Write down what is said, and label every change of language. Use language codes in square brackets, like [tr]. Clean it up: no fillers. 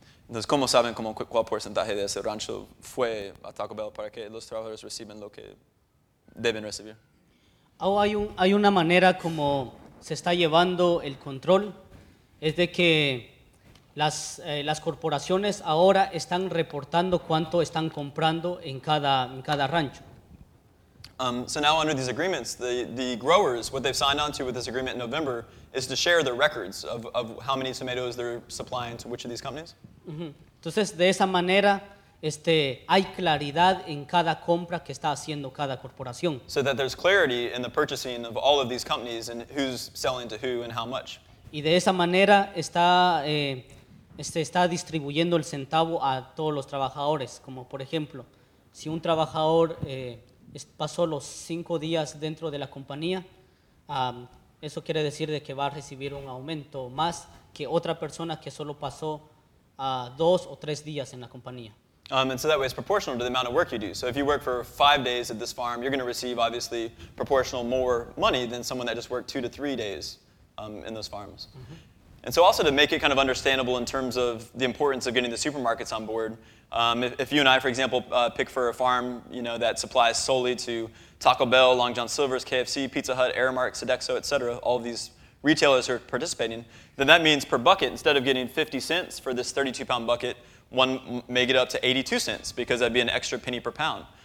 [es] Entonces, ¿cómo saben cómo, cuál porcentaje de ese rancho fue a Taco Bell para que los trabajadores reciban lo que deben recibir? Hay una manera como se está llevando el control, es de que las corporaciones ahora están reportando cuánto están comprando en cada rancho. [en] So now under these agreements, the growers, what they've signed on to with this agreement in November, is to share their records of how many tomatoes they're supplying to which of these companies. Mm-hmm. [es] Entonces, de esa manera, hay claridad en cada compra que está haciendo cada corporación. [en] So that there's clarity in the purchasing of all of these companies and who's selling to who and how much. [es] Y de esa manera está distribuyendo el centavo a todos los trabajadores. Como por ejemplo, si un trabajador pasó los 5 días dentro de la compañía, eso quiere decir de que va a recibir un aumento más que otra persona que solo pasó 2 o 3 días en la compañía. [en] And so that way it's proportional to the amount of work you do. So if you work for 5 days at this farm, you're going to receive obviously proportional more money than someone that just worked 2 to 3 days in those farms. Mm-hmm. And so also to make it kind of understandable in terms of the importance of getting the supermarkets on board, if you and I, for example, pick for a farm, you know, that supplies solely to Taco Bell, Long John Silver's, KFC, Pizza Hut, Aramark, Sodexo, et cetera, all of these retailers are participating, then that means per bucket, instead of getting 50 cents for this 32-pound bucket, one may get up to 82 cents because that'd be an extra penny per pound.